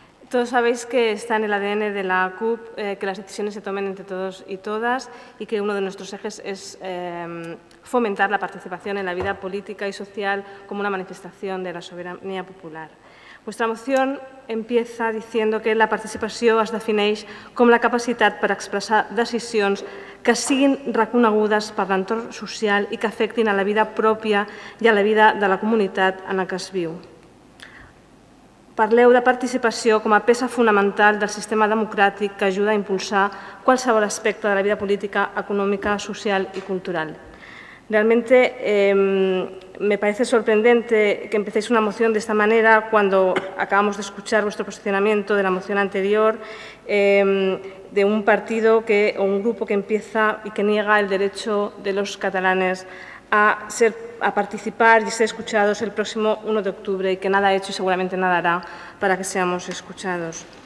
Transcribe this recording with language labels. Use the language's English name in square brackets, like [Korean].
[Spanish] Todos sabéis que está en el ADN de la CUP que las decisiones se tomen entre todos y todas y que uno de nuestros ejes es fomentar la participación en la vida política y social como una manifestación de la soberanía popular. Vuestra moción empieza diciendo que [Catalan] la participació es defineix com la capacitat per expressar decisions que siguin reconegudes per l'entorn social i que afectin a la vida pròpia i a la vida de la comunitat en què es viu. Parleu de participació com a peça fonamental del sistema democràtic que ajuda a impulsar qualsevol aspecte de la vida política, econòmica, social i cultural. [Spanish] Realmente me parece sorprendente que empecéis una moción de esta manera cuando acabamos de escuchar vuestro posicionamiento de la moción anterior de un partido o un grupo que empieza y que niega el derecho de los catalanes a participar y ser escuchados el próximo 1 de octubre y que nada ha hecho y seguramente nada hará para que seamos escuchados.